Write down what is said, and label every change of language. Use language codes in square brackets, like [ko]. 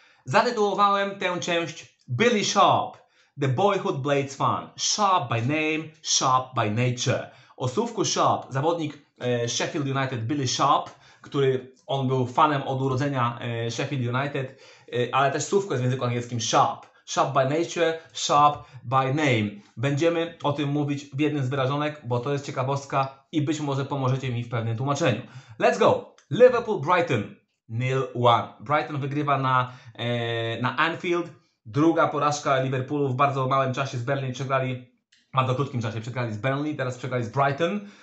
[pl] Zatytułowałem tę część Billy Sharp. [en] The Boyhood Blades Fan. Sharp by name, sharp by nature. [pl] O słówku Sharp, zawodnik Sheffield United, Billy Sharp, który on był fanem od urodzenia Sheffield United, ale też słówko jest w języku angielskim Sharp. [en] Sharp by nature, sharp by name. [pl] Będziemy o tym mówić w jednym z wyrażonek, bo to jest ciekawostka i być może pomożecie mi w pewnym tłumaczeniu. [en] Let's go! [pl] Liverpool Brighton 0-1. Brighton wygrywa na Anfield. Druga porażka Liverpoolu w bardzo małym czasie z Burnley, przegrali z Burnley, teraz przegrali z Brighton.